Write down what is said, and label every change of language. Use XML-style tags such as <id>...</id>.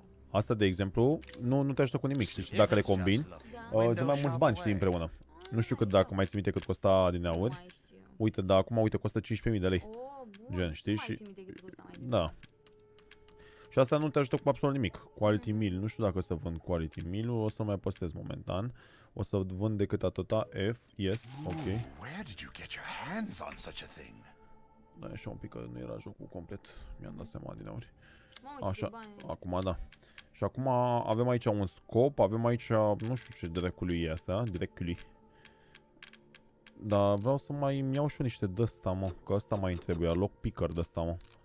<ro>Asta, de exemplu, nu te ajută cu nimic. Deci, dacă le combin, îți mai mulți bani și împreună. Nu știu cât, dacă mai ții minte cât costa din aur. Uite, da, acum, uite, costă 15.000 de lei. Gen, știi? Și... Da. Și asta nu te ajută cu absolut nimic. Quality meal. Nu știu dacă o să vând quality meal-ul. O să mai păstrez momentan. O să vând decât atâta. F, yes, ok.</ro> <en>Where did you get your hands on such a thing?</en> <ro>Da, așa un pic, că nu era jocul complet. Mi-am dat seama din aur. Așa, acum, da. Și acum avem aici un scop, avem aici, nu știu ce dracului e asta, dracului. Dar vreau să mai îmi iau și eu niște d-asta, mă, că ăsta mai trebuie, lock picker d-asta, mă.</ro>